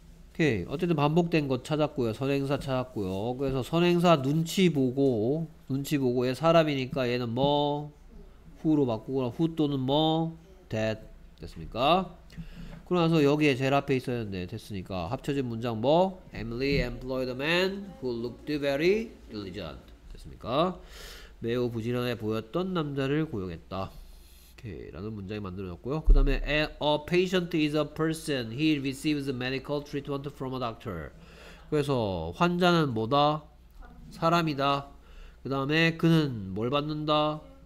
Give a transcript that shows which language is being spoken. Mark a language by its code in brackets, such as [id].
[ko] 오케이. 어쨌든 반복된 것 찾았고요. 선행사 찾았고요. 그래서 선행사 눈치 보고 얘 사람이니까 얘는 뭐? who로 바꾸거나 who 또는 뭐? that. 됐습니까? 그러고 나서 여기에 제일 앞에 있었는데 됐으니까 합쳐진 문장 뭐? [en] Emily employed a man who looked very diligent. [ko] 됐습니까? 매우 부지런해 보였던 남자를 고용했다. 라는 문장이 만들어졌고요. 그 다음에 [en] A patient is a person. He receives medical treatment from a doctor. [ko] 그래서 환자는 뭐다? 사람이다. 그 다음에 그는 뭘 받는다?